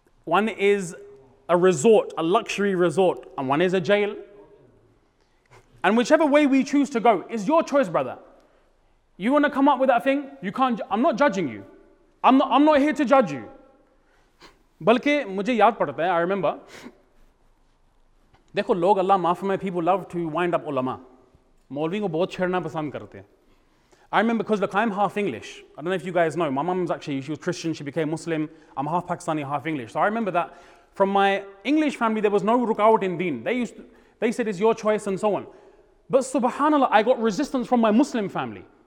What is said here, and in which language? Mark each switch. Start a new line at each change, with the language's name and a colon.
English: One is a resort, a luxury resort, and one is a jail. And whichever way we choose to go is your choice, brother. You want to come up with that thing? You can't. I'm not judging you. I'm not here to judge you.
Urdu: بلکہ مجھے یاد پڑتا ہے,
English: I remember.
Urdu: دیکھو لوگ, اللہ معاف فرمائے,
English: people love to wind up
Urdu: علما. مولوی کو بہت چھیڑنا پسند کرتے ہے.
English: I remember because look, I'm half English. I don't know if you guys know. My mom's actually, she was Christian. She became Muslim. I'm half Pakistani, half English. So I remember that from my English family, there was no rukawat in deen. They said, it's your choice and so on. But subhanAllah, I got resistance from my Muslim family.